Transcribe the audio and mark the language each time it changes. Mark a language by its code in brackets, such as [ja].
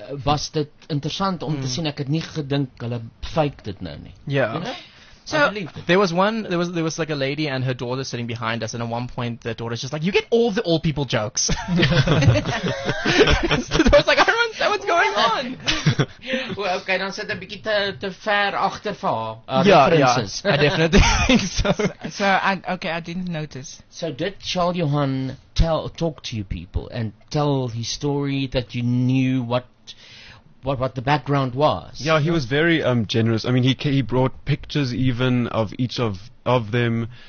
[af] Was dit interessant om te sien, ek het nie gedink hulle fake dit nou nie. [en] Yeah. So there was like a lady and her daughter sitting behind us, and at one point the daughter's just like, you get all the old people jokes. So I was like, I don't understand what's going on. [af] Well, okay, dan sit 'n bietjie te ver agter vir haar. [en] Yeah, I definitely think so. So I didn't notice. So did Charles Johan talk to you people and tell his story that you knew what the background was? Yeah, he was very generous. I mean, he brought pictures even of each of them.